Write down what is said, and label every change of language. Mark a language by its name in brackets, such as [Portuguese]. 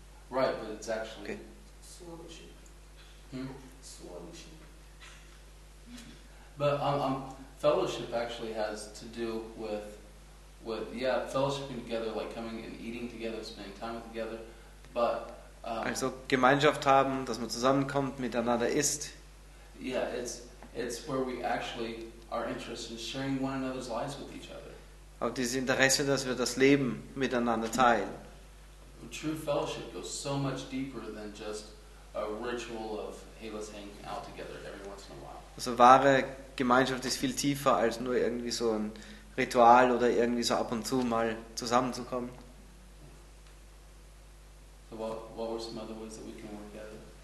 [English] Right, but it's actually... Okay. But fellowship actually has to do with yeah, fellowshipping together, like coming and eating together, spending time together, but [German] also Gemeinschaft haben, dass man zusammenkommt, miteinander isst. [English] Yeah, it's where we actually are interested in sharing one another's lives with each other. [German] Auch dieses Interesse, dass wir das Leben miteinander teilen. [English] True fellowship goes so much deeper than just a ritual of hey, let's hang out together every once in a while. [German] Also wahre Gemeinschaft ist viel tiefer als nur irgendwie so ein Ritual oder irgendwie so ab und zu mal zusammenzukommen. [English] So what were some other ways that we can work together?